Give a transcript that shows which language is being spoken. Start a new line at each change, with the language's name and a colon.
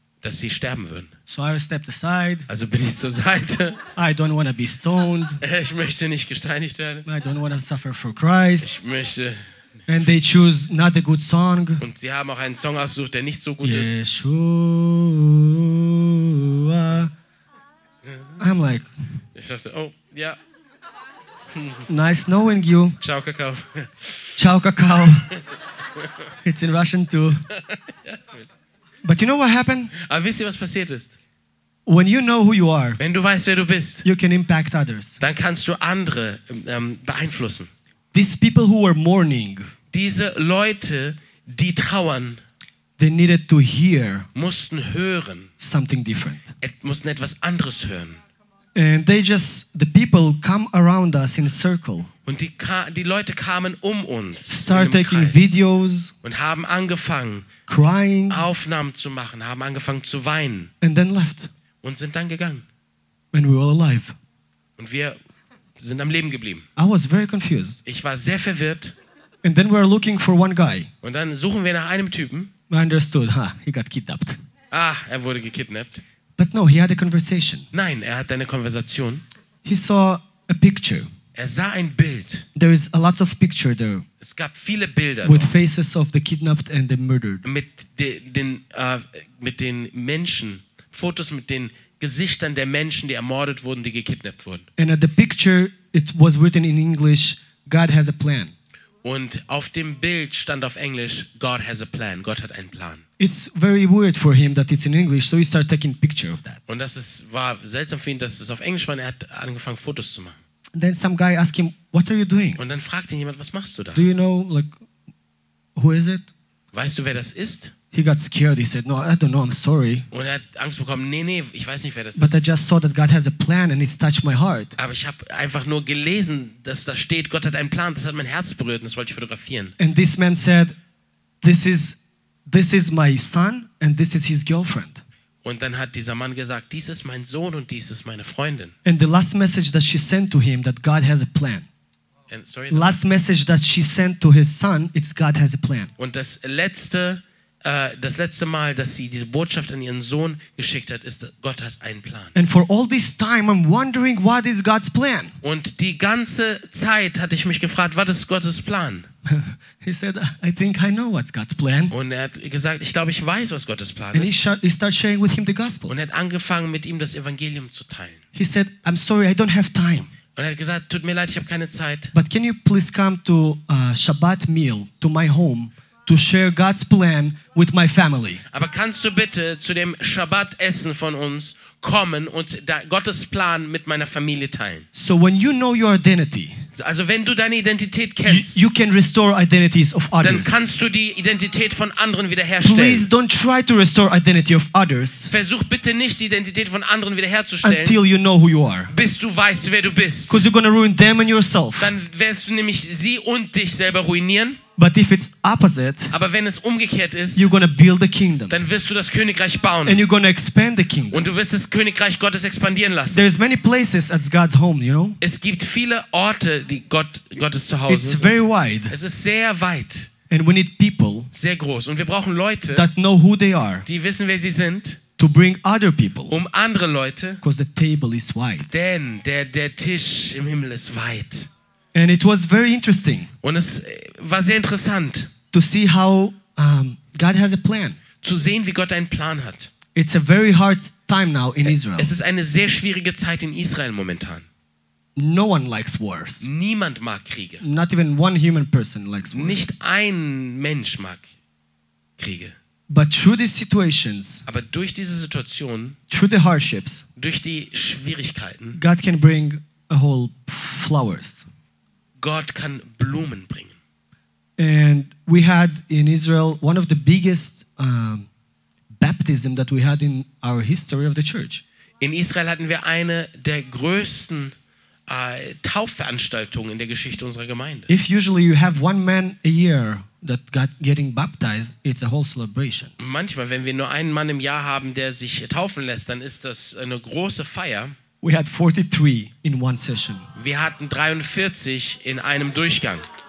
German: Dass sie sterben würden.
English: So I stepped aside.
German: Also bin ich zur Seite.
English: I don't wanna be stoned.
German: Ich möchte nicht gesteinigt werden.
English: I don't wanna suffer for Christ.
German: Ich möchte.
English: And they choose not a good song.
German: Und sie haben auch einen Song ausgesucht, der nicht so gut Yeshua. Ist.
English: Yeshua. I'm like.
German: Ich dachte, oh, ja. Yeah.
English: Nice knowing you.
German: Ciao, Kakao.
English: Ciao, Kakao. It's in Russian too. But you know what happened?
German: Aber wisst ihr, was passiert ist?
English: When you know who you are,
German: wenn du weißt, wer du bist,
English: you can impact others.
German: Dann kannst du andere beeinflussen.
English: These people who were mourning,
German: diese Leute, die trauern,
English: they needed to hear,
German: mussten hören,
English: something different.
German: Mussten etwas anderes hören.
English: And they just the people come around us in a circle.
German: Und die Leute kamen um uns.
English: Start taking videos.
German: Und haben angefangen.
English: Crying.
German: Aufnahmen zu machen, haben angefangen zu weinen.
English: And then left.
German: Und sind dann gegangen.
English: When we were alive.
German: Und wir sind am Leben geblieben.
English: I was very confused.
German: Ich war sehr verwirrt.
English: And then we were looking for one guy.
German: Und dann suchen wir nach einem Typen.
English: I understood. Ha, he got kidnapped.
German: Ah, er wurde gekidnappt.
English: But no, he had a conversation.
German: Nein, er hatte eine Konversation.
English: He saw a picture.
German: Er sah ein Bild.
English: There is a lot of picture there.
German: Es gab viele Bilder.
English: With faces of the kidnapped and the murdered.
German: Mit den Menschen, Fotos mit den Gesichtern der Menschen, die ermordet wurden, die gekidnappt wurden.
English: And at the picture, it was written in English, God has a plan.
German: Und auf dem Bild stand auf Englisch,
English: God has a plan.
German: Gott hat einen Plan.
English: It's very weird for him that it's in English, so he started taking picture of that.
German: Und das ist, war seltsam für ihn, dass es auf Englisch war, und er hat angefangen Fotos zu machen.
English: And then some guy asked him, what are you doing?
German: Und dann fragt ihn jemand, was machst du da?
English: Do you know, like, who is it?
German: Weißt du, wer das ist?
English: He got scared. He said, no, I don't know, I'm sorry.
German: Und er hat Angst bekommen, nee, ich weiß nicht, wer das
English: But
German: ist.
English: I just saw that God has a plan and it's touched my heart.
German: Aber ich habe einfach nur gelesen, dass da steht, Gott hat einen Plan, das hat mein Herz berührt und das wollte ich fotografieren.
English: And this man said, this is my son and this is his girlfriend.
German: Und dann hat dieser Mann gesagt, dies ist mein Sohn und dies ist meine Freundin.
English: And the last message that she sent to him, that God has a plan. And, sorry, last message that she sent to his son, it's God has a plan.
German: Und das letzte Mal, dass sie diese Botschaft an ihren Sohn geschickt hat, ist, Gott hat einen Plan.
English: And for all this time, I'm wondering, what is God's plan?
German: Und die ganze Zeit hatte ich mich gefragt, was ist Gottes Plan?
English: He said, I think I know what's God's plan.
German: Und er hat gesagt, ich glaube, ich weiß, was Gottes Plan
English: and
German: ist.
English: And he started sharing with him the gospel.
German: Und er hat angefangen, mit ihm das Evangelium zu teilen.
English: He said, I'm sorry, I don't have time.
German: Und er hat gesagt, tut mir leid, ich habe keine Zeit.
English: But can you please come to Shabbat meal to my home to share God's plan with my family?
German: Aber kannst du bitte zu dem Shabbat-Essen von uns kommen und Gottes Plan mit meiner Familie teilen?
English: So when you know your identity,
German: also wenn du deine Identität kennst,
English: you can restore identities of others.
German: Dann kannst du die Identität von anderen wiederherstellen.
English: Please don't try to restore identity of others.
German: Versuch bitte nicht die Identität von anderen wiederherzustellen.
English: Until you know who you are.
German: Bis du weißt, wer du bist.
English: Because you're gonna ruin them and yourself.
German: Dann wirst du nämlich sie und dich selber ruinieren.
English: But if it's opposite,
German: aber wenn es umgekehrt ist,
English: you're gonna build a kingdom.
German: Dann wirst du das Königreich bauen.
English: And you're gonna expand the kingdom.
German: Und du wirst das Königreich Gottes expandieren lassen.
English: There's many places as God's home, you know?
German: Es gibt viele Orte, die Gottes Zuhause sind.
English: It's very wide.
German: Es ist sehr weit.
English: And we need people,
German: sehr groß. Und wir brauchen Leute,
English: that know who they are,
German: die wissen, wer sie sind,
English: to bring other people,
German: um andere Leute,
English: because the table is wide.
German: Denn der Tisch im Himmel ist weit.
English: And it was very interesting.
German: Und es war sehr interessant.
English: To see how God has a plan.
German: Zu sehen, wie Gott einen Plan hat.
English: It's a very hard time now in Israel.
German: Es ist eine sehr schwierige Zeit in Israel momentan.
English: No one likes wars.
German: Niemand mag Kriege.
English: Not even one human person likes wars.
German: Nicht ein Mensch mag Kriege.
English: But through these situations,
German: aber durch diese Situation,
English: through the hardships,
German: durch die Schwierigkeiten,
English: God can bring a whole flowers.
German: Gott kann Blumen bringen.
English: And we had in Israel one of the biggest baptism that we had in our history of the church.
German: In Israel hatten wir eine der größten Taufveranstaltungen in der Geschichte unserer Gemeinde.
English: If usually you have one man a year that got getting baptized, it's a whole celebration.
German: Manchmal, wenn wir nur einen Mann im Jahr haben, der sich taufen lässt, dann ist das eine große Feier.
English: We had 43 in one session.
German: Wir hatten 43 in einem Durchgang.